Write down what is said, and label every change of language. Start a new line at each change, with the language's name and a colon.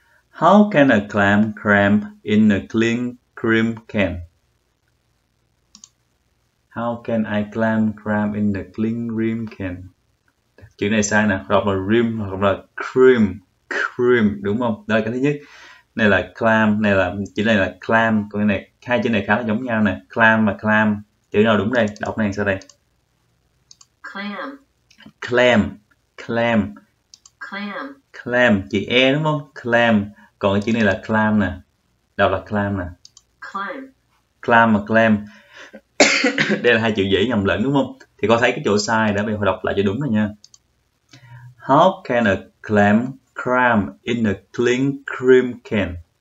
English: How can a clam cramp in a clean cream can? How can I clam cram in the clean rim can?
Vietnamese: Chữ này sai nè, đọc là rim hoặc là cream, cream đúng không? Đây cái thứ nhất. Này là clam, này là chữ này là clam, còn cái này hai chữ này khá là giống nhau nè, clam và clam. Chữ nào đúng đây? Đọc này sao đây?
English: Clam. Clam, clam. Clam.
Vietnamese: Clam, chữ e đúng không? Clam. Còn cái chữ này là clam nè. Đọc là clam nè.
English: Clam.
Vietnamese: Clam và clam. Đây là hai chữ dễ nhầm lẫn đúng không? Thì có thấy cái chỗ sai đã, bây giờ đọc lại cho đúng rồi nha.
English: How can a clam cram in a clean cream can?